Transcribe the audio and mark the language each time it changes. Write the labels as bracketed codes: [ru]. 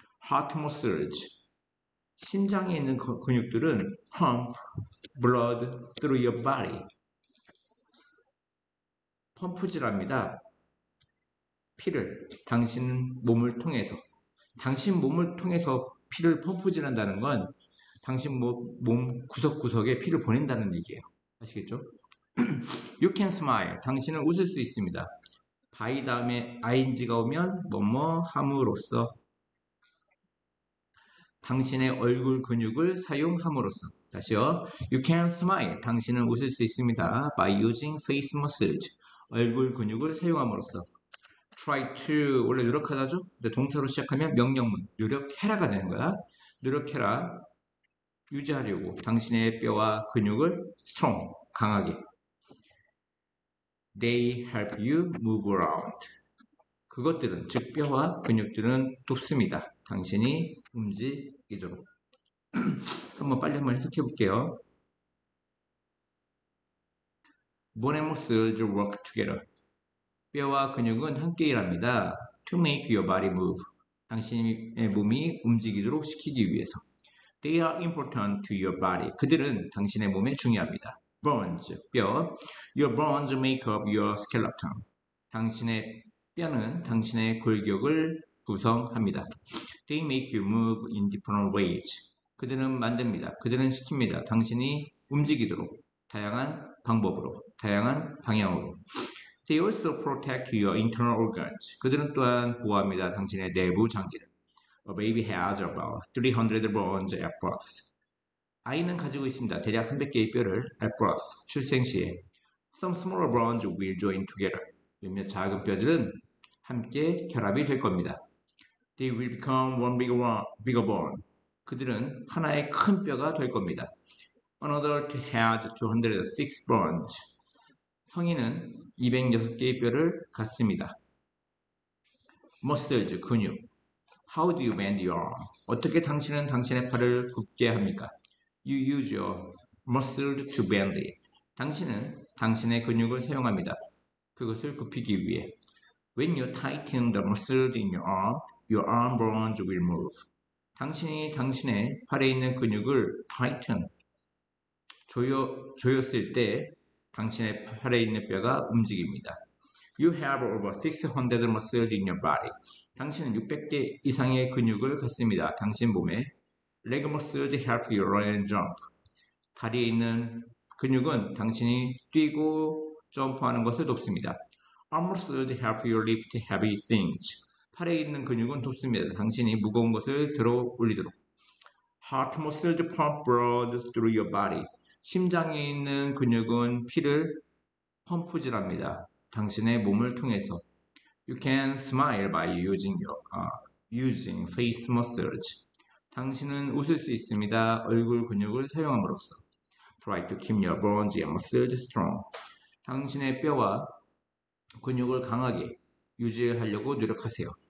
[en] Heart muscles. [ko] 심장에 있는 근육들은 [en] pump blood through your body. [ko] 펌프질합니다. 피를 당신 몸을 통해서. 당신 몸을 통해서 피를 펌프질한다는 건 당신 몸 구석구석에 피를 보낸다는 얘기예요. 아시겠죠? [en] You can smile. [ko] 당신은 웃을 수 있습니다. by 다음에 ing가 오면 뭐뭐 함으로써. 당신의 얼굴 근육을 사용함으로써. 다시요. [en] You can smile. [ko] 당신은 웃을 수 있습니다. [en] By using face muscles. [ko] 얼굴 근육을 사용함으로써. [en] Try to. [ko] 원래 노력하다죠? 근데 동사로 시작하면 명령문. 노력해라가 되는 거야. 노력해라. 유지하려고. 당신의 뼈와 근육을 strong. 강하게. [en] They help you move around. [ko] 그것들은, 즉, 뼈와 근육들은 돕습니다. 당신이 움직이도록. 한번 빨리 한번 해석해 볼게요. [en] Bone and muscles work together. [ko] 뼈와 근육은 함께 일합니다. [en] To make your body move. [ko] 당신의 몸이 움직이도록 시키기 위해서. [en] They are important to your body. [ko] 그들은 당신의 몸에 중요합니다. [en] Bones, 뼈. Your bones make up your skeleton. [ko] 당신의 뼈는 당신의 골격을 구성합니다. [en] They make you move in different ways. [ko] 그들은 만듭니다. 그들은 시킵니다. 당신이 움직이도록 다양한 방법으로, 다양한 방향으로. [en] They also protect your internal organs. [ko] 그들은 또한 보호합니다. 당신의 내부 장기를. [en] A baby has about 300 bones at birth. [ko] 아이는 가지고 있습니다. 대략 300개의 뼈를 [en] at birth, [ko] 출생 시에. [en] Some smaller bones will join together. [ko] 몇몇 작은 뼈들은 함께 결합이 될 겁니다. [en] They will become bigger bone. [ko] 그들은 하나의 큰 뼈가 될 겁니다. [en] Another has 206 bones. [ko] 성인은 206개의 뼈를 갖습니다. [en] Muscles, 근육. How do you bend your arm? [ko] 어떻게 당신은 당신의 팔을 굽게 합니까? [en] You use your muscle to bend it. [ko] 당신은 당신의 근육을 사용합니다. 그것을 굽히기 위해. [en] When you tighten the muscles in your arm bones will move. [ko] 당신이 당신의 팔에 있는 근육을 tighten, 조였을 때 당신의 팔에 있는 뼈가 움직입니다. [en] You have over 600 muscles in your body. [ko] 당신은 600개 이상의 근육을 갖습니다. 당신 몸에. [en] Leg muscles help you run and jump. [ko] 다리에 있는 근육은 당신이 뛰고 점프하는 것을 돕습니다. [en] Arm muscles help you lift heavy things. [ko] 팔에 있는 근육은 돕습니다. 당신이 무거운 것을 들어 올리도록. [en] Heart muscles pump blood through your body. [ko] 심장에 있는 근육은 피를 펌프질합니다. 당신의 몸을 통해서 [en] You can smile by using face muscles. [ko] 당신은 웃을 수 있습니다. 얼굴 근육을 사용함으로써 [en] Try to keep your bones and muscles strong. [ko] 당신의 뼈와 근육을 강하게 유지하려고 노력하세요.